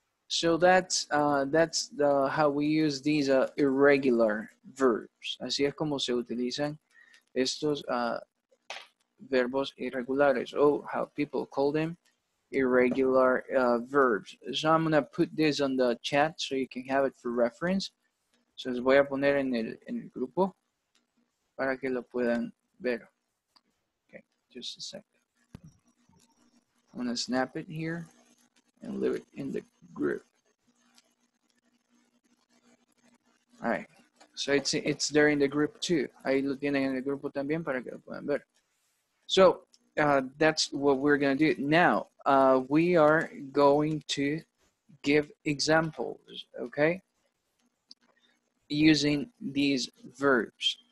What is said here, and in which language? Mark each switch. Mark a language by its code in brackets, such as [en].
[en] So that's the how we use these irregular verbs. [es] Así es como se utilizan estos verbos irregulares, [en] or how people call them. Irregular verbs. So I'm gonna put this on the chat so you can have it for reference. [es] So les voy a poner en el grupo para que lo puedan ver. [en] Okay, just a sec. I'm gonna snap it here and leave it in the group. All right. So it's there in the group too. [es] Ahí lo tienen en el grupo también para que lo puedan ver. [en] So that's what we're gonna do now. We are going to give examples, okay, using these verbs.